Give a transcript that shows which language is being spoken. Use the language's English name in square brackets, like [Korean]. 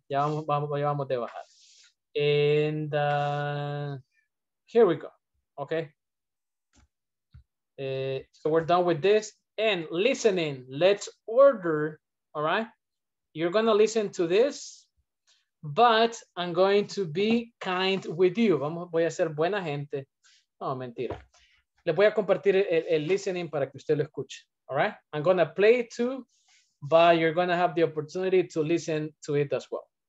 [Spanish] Ya vamos de bajada. [English] And here we go, okay? So we're done with this. And listening, let's order, all right? You're gonna listen to this, but I'm going to be kind with you. [Spanish] Voy a ser buena gente. No, mentira. Les voy a compartir el listening para que usted lo escuche, [English] all right? I'm gonna play it too, but you're gonna have the opportunity to listen to it as well.